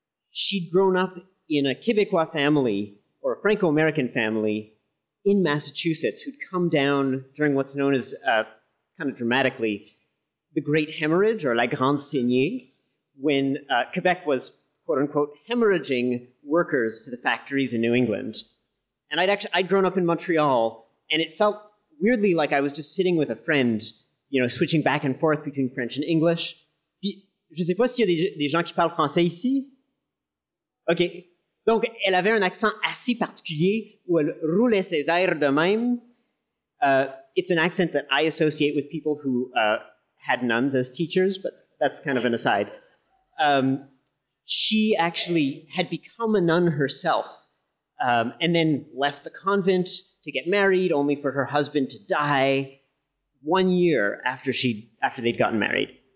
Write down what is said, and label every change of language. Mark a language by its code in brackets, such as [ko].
[en] She'd grown up in a Quebecois family, or a Franco-American family, in Massachusetts, who'd come down during what's known as kind of dramatically, the Great Hemorrhage, or La Grande Saignée, when Quebec was, quote-unquote, hemorrhaging workers to the factories in New England. And I'd grown up in Montreal, and it felt weirdly like I was just sitting with a friend, you know, switching back and forth between French and English. [fr] Je sais pas s'il y a des gens qui parlent français ici. Okay. Donc, elle avait un accent assez particulier où elle roulait ses airs de même. [en] It's an accent that I associate with people who had nuns as teachers, but that's kind of an aside. She actually had become a nun herself and then left the convent to get married, only for her husband to die 1 year after they'd gotten married.